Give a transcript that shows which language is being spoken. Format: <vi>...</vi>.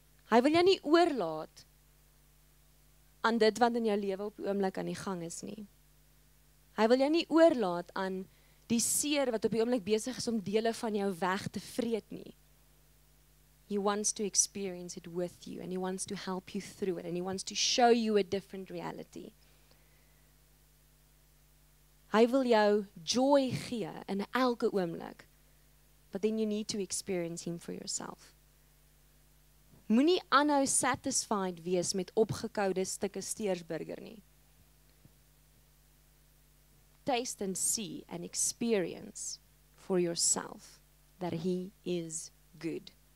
<af>Hy wil jou nie oorlaat aan dit wat in jou lewe op die oomblik aan die gang is nie. Hy wil jou nie oorlaat aan die seer wat op die oomblik besig is om dele van jou weg te vreet nie.</af> <en>He wants to experience it with you and he wants to help you through it and he wants to show you a different reality.</en> <af>Hy wil jou joy gee in elke oomblik</af> <en>but then you need to experience him for yourself.</en> <af>Moenie aanhou satisfied wees met opgekoude stukke steersburger nie.</af> <en>Taste and see and experience for yourself that he is good.</en>